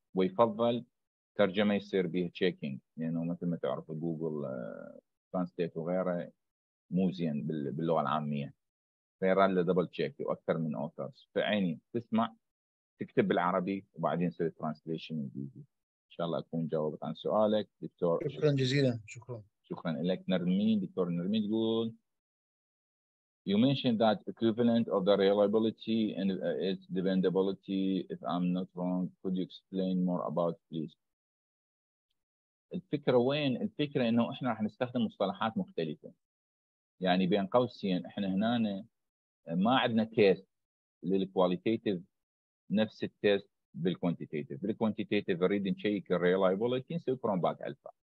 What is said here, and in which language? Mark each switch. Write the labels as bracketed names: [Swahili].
[Arabic] ويفضل ترجمه يصير بيه تشيكينج، لانه مثل ما تعرف جوجل ترانسليت وغيره مو زين باللغه العاميه، غير الدبل تشيك واكثر من اوثرز. فعيني تسمع تكتب بالعربي وبعدين تسوي ترانسليشن انجليزي. ان شاء الله اكون جاوبت عن سؤالك دكتور. شكرا جزيلا. شكرا. شكرا لك نرمين. دكتور نرمين تقول [English] you mentioned that equivalent of the reliability and its dependability, if I'm not wrong, could you explain more about please? [Arabic] الفكرة وين؟ الفكرة إنه إحنا راح نستخدم مصطلحات مختلفة. يعني بين قوسين إحنا هنا ما عندنا تيست للكواليتيتيف نفس التيست بالكوانتيتيتيف. بالكوانتيتيتيف نريد نشيك الريلايبيليتي نسوي كرونباك ألفا.